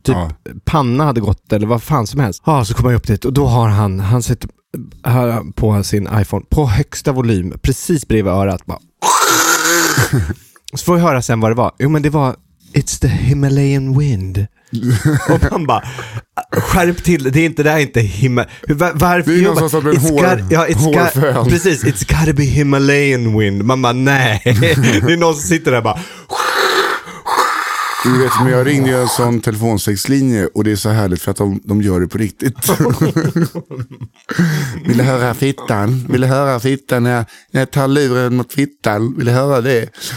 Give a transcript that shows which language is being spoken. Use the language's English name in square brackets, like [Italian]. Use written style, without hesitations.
[Swedish] Typ panna hade gått eller vad fan som helst. Ja, så kommer jag upp dit och då har han sitter här på sin iPhone på högsta volym precis bredvid örat. Bara... Så får vi höra sen vad det var. Jo, men det var [English] It's the Himalayan wind. [Swedish] Och han bara, skärp till, det är inte där, inte varför det är någon som en hårfön. [English] Precis, it's gotta be Himalayan wind. [Swedish] Man bara, nej. Det är någon som sitter där bara. Du vet, men jag ringde en sån telefonsexlinje och det är så härligt för att de gör det på riktigt. Vill du höra fittan? Vill du höra fittan när jag tar luren mot fittan? Vill du höra det?